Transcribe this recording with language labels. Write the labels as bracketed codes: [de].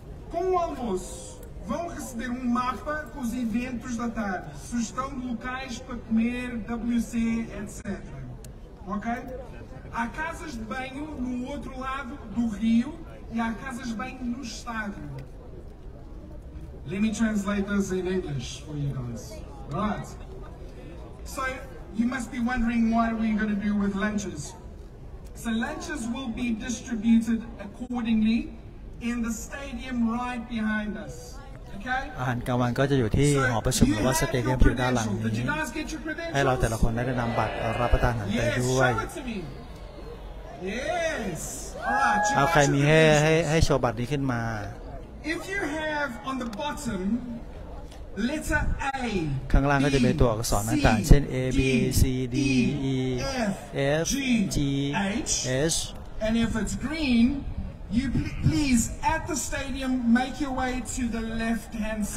[pt] Com o almoço, vão receber um mapa com os eventos da tarde, sugestão de locais para comer, WC, etc. Ok? Há casas de banho no outro lado do rio e há casas de banho no estádio. [en] Let me translate this in English for you guys. Right? So, you must be wondering what we're going to do with lunches. So lunches will be distributed accordingly in the stadium right behind us. Okay. [th] อาหารกลางวันก็จะอยู่ที่หอประชุมหรือว่าสเตเดียมอยู่ด้านหลังนี้ให้เราแต่ละคนได้นำบัตรรับประทานอาหารไปด้วย [en] Yes. [th] เอาใครมีให้โชว์บัตรนี้ขึ้นมา [en] If you have on the bottom letter A. [th] ข้างล่างก็จะมีตัวอักษรต่างๆเช่น A B C D E [en] F G H and if it's green you please at the stadium make your way to the left hand side